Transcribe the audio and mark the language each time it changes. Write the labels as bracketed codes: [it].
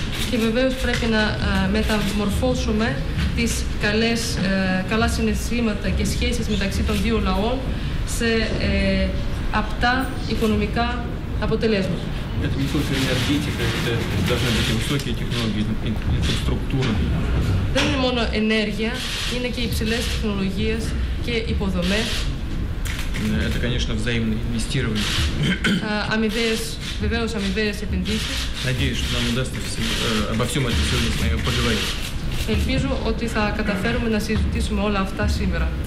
[el] Και βεβαίως πρέπει να μεταμορφώσουμε τις καλά συναισθήματα και σχέσεις μεταξύ των δύο λαών σε απτά οικονομικά αποτελέσματα. [ru] Это не только энергетика, это должны быть высокие технологии, инфраструктура. [el] Δεν είναι μόνο ενέργεια, είναι και υψηλές τεχνολογίες και υποδομές. [ru] Это, конечно, взаимные инвестирования. [el] Αμοιβές, βεβαίως αμοιβές επενδύσεις. [ru] Надеюсь, что нам удастся обо всем этом сегодня с вами поговорить. [el] Ελπίζω ότι θα καταφέρουμε να συζητήσουμε όλα αυτά σήμερα.